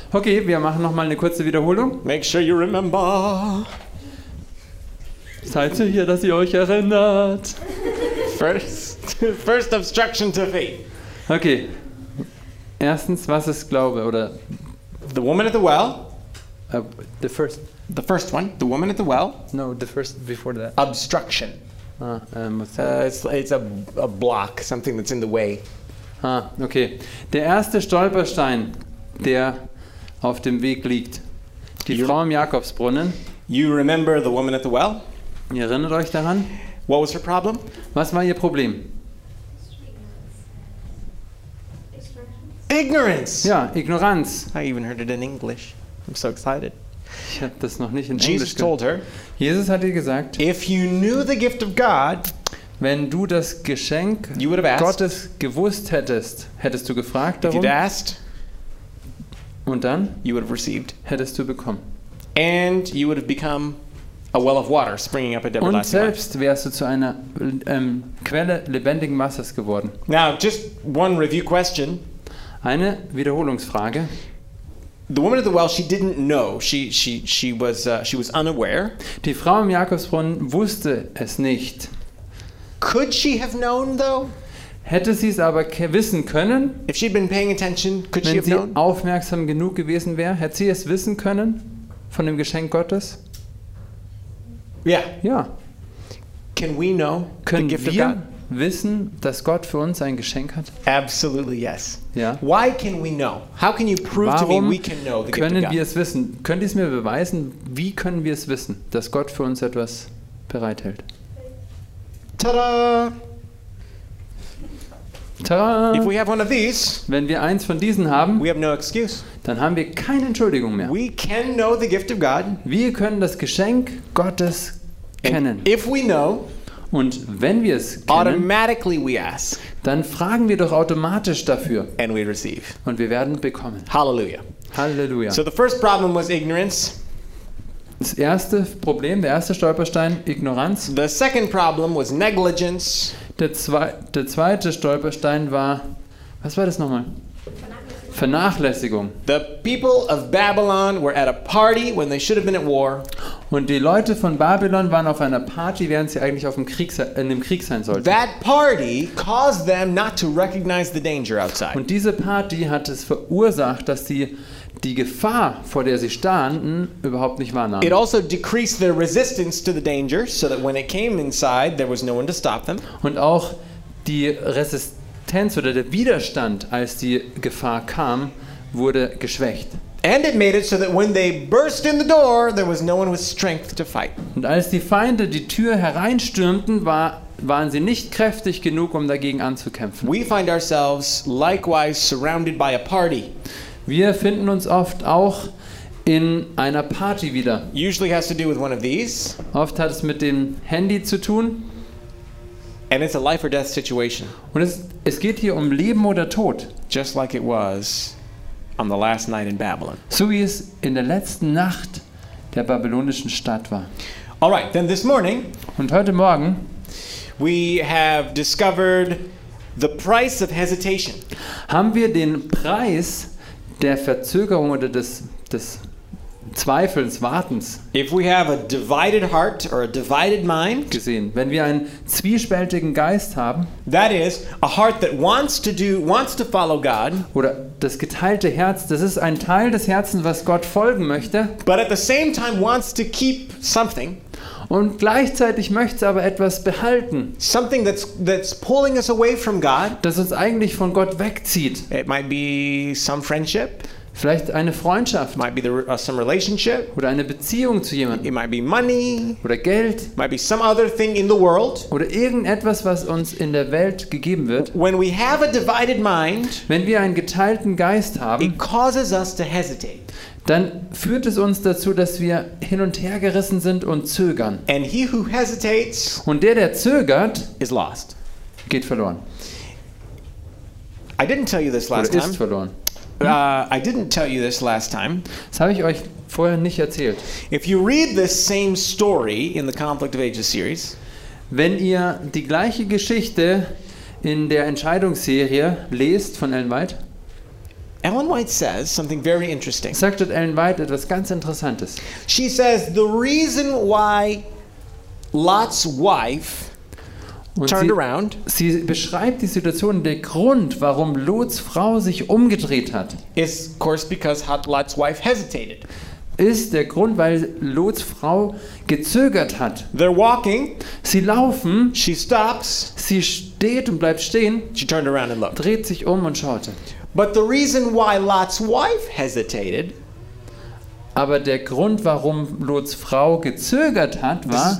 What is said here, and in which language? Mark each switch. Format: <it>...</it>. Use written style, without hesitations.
<de>Okay, wir machen noch mal eine kurze Wiederholung.</de> <en>Make sure you remember.</en> <de>Seid sicher, dass ihr euch erinnert.</de> <en>First obstruction to faith. Okay.</en> <de>Erstens, was ist Glaube oder</de> <en>the woman at the well? The first one, the woman at the well? No, the first before that. Obstruction. It's a block, something that's in the way. Okay.</en> <de>Der erste Stolperstein, der auf dem Weg liegt. Frau im Jakobsbrunnen.</de> <en>You remember the woman at the well?</en> <de>Ihr erinnert euch daran?</de> <en>What was her problem?</en> <de>Was war ihr Problem?</de> <en>Ignorance.</en> <de>Ja, Ignoranz.</de> <en>I even heard it in English. I'm so excited.</en> <de>Ich habe das noch nicht in</de> <en>Jesus</en> <de>Englisch</de> <en>told her.</en> <de>Jesus hat ihr gesagt,</de> <en>if you knew the gift of God,</en> <de>wenn du das Geschenk Gottes gewusst hättest, hättest du gefragt darum.</de> <en>If you'd asked,</en> <de>und dann</de> <en>you would have received,</en> <de>hättest du bekommen.</de> <en>And you would have become a well of water springing up at</en> <de>Deborah. Und selbst wärst du zu einer Quelle lebendigen Wassers geworden.</de> <en>Now just one review question.</en> <de>Eine Wiederholungsfrage.</de> <en>The woman at the well, she didn't know. She was unaware.</en> <de>Die Frau im Jakobsbrunnen wusste es nicht.</de> <en>Could she have known though?</en> <de>Hätte sie es aber wissen können?</de> <en>If she'd been paying attention, could she have known?</en> <de>Wenn sie aufmerksam genug gewesen wäre, hätte sie es wissen können von dem Geschenk Gottes?</de> <en>Yeah.</en> <de>Ja.</de> <en>Can we know?</en> <de>Können wir wissen, dass Gott für uns ein Geschenk hat?</de> <en>Absolutely yes.</en> <de>Ja.</de> <en>Why can we know? How can you prove</en> <de>Warum</de> <en>to me we can know the gift of God?</en> <de>Können wir es wissen? Könnt ihr es mir beweisen? Wie können wir es wissen, dass Gott für uns etwas bereithält? Tada! Tada!</de> <en>If we have one of these,</en> <de>wenn wir eins von diesen haben,</de> <en>we have no excuse.</en> <de>Dann haben wir keine Entschuldigung mehr.</de> <en>We can know the gift of God.</en> <de>Wir können das Geschenk Gottes kennen.</de> <en>And if we know,</en> <de>und wenn wir es kennen,</de> <en>automatically we ask,</en> <de>dann fragen wir doch automatisch dafür.</de> <en>And we receive.</en> <de>Und wir werden bekommen. Halleluja. Halleluja.</de> <en>So the first problem was ignorance.</en> <de>Das erste Problem, der erste Stolperstein, Ignoranz.</de> <en>The second problem was negligence.</en> <de>Der zweite Stolperstein war, was war das nochmal? Vernachlässigung.</de> <en>The people of Babylon were at a party when they should have been at war.</en> <de>Und die Leute von Babylon waren auf einer Party, während sie eigentlich in dem Krieg sein sollten.</de> <en>That party caused them not to recognize the danger outside.</en> <de>Und diese Party hat es verursacht, dass sie die Gefahr, vor der sie standen, überhaupt nicht wahrnahmen.</de> <en>It also decreased their resistance to the danger, so that when it came inside, there was no one to stop them.</en> <de>Und auch die Resistenz oder der Widerstand, als die Gefahr kam, wurde geschwächt.</de> <en>And it made it so that when they burst in the door, there was no one with strength to fight.</en> <de>Und als die Feinde die Tür hereinstürmten, waren sie nicht kräftig genug, um dagegen anzukämpfen.</de> <en>We find ourselves likewise surrounded by a party.</en> <de>Wir finden uns oft auch in einer Party wieder.</de> <en>Usually has to do with one of these.</en> <de>Oft hat es mit dem Handy zu tun.</de> <en>And it's a life or death situation.</en> <de>Und es geht hier um Leben oder Tod.</de> <en>Just like it was on the last night in Babylon.</en> <de>So wie es in der letzten Nacht der babylonischen Stadt war.</de> <en>All right, then this morning,</en> <de>und heute Morgen,</de> <en>we have discovered the price of hesitation.</en> <de>Haben wir den Preis der Verzögerung oder des Zweifelns, Wartens.</de> <en>If we have a divided heart or a divided mind,</en> <de>gesehen, wenn wir einen zwiespältigen Geist haben,</de> <en>that is a heart that wants to follow God,</en> <de>oder das geteilte Herz, das ist ein Teil des Herzens, was Gott folgen möchte,</de> <en>but at the same time wants to keep something,</en> <de>und gleichzeitig möchte aber etwas behalten,</de> <en>something that's pulling us away from God,</en> <de>das uns eigentlich von Gott wegzieht.</de> <en>It might be some friendship.</en> <de>Vielleicht eine Freundschaft,</de> <en>might be some relationship,</en> <de>oder eine Beziehung zu jemandem,</de> <en>it might be money,</en> <de>oder Geld,</de> <en>might be some other thing in the world,</en> <de>oder irgendetwas, was uns in der Welt gegeben wird.</de> <en>When we have a divided mind,</en> <de>wenn wir einen geteilten Geist haben,</de> <en>it causes us to hesitate.</en> <de>Dann führt es uns dazu, dass wir hin und her gerissen sind und zögern.</de> <en>And he who hesitates,</en> <de>und der zögert,</de> <en>is lost.</en> <de>Geht verloren.</de> <en>I didn't tell you this last time.</en> <de>Oder ist verloren.</de> <en>I didn't tell you this last time.</en> <de>Das habe ich euch vorher nicht erzählt.</de> <en>If you read this same story in the Conflict of Ages series,</en> <de>wenn ihr die gleiche Geschichte in der Entscheidungsserie lest von Ellen White,</de> <en>Ellen White says something very interesting.</en> <de>Sagt Ellen White etwas ganz Interessantes.</de> <en>She says the reason why Lot's wife turned around.</en> <de>Sie beschreibt die Situation, der Grund, warum Lots Frau sich umgedreht hat.</de> <en>Is of course because Lot's wife hesitated.</en> <de>Ist der Grund, weil Lots Frau gezögert hat.</de> <en>They're walking.</en> <de>Sie laufen.</de> <en>She stops.</en> <de>Sie steht und bleibt stehen.</de> <en>She turned around and looked.</en> <de>Dreht sich um und schaute.</de> <en>But the reason why Lot's wife hesitated.</en> <de>Aber der Grund, warum Lots Frau gezögert hat, war.</de>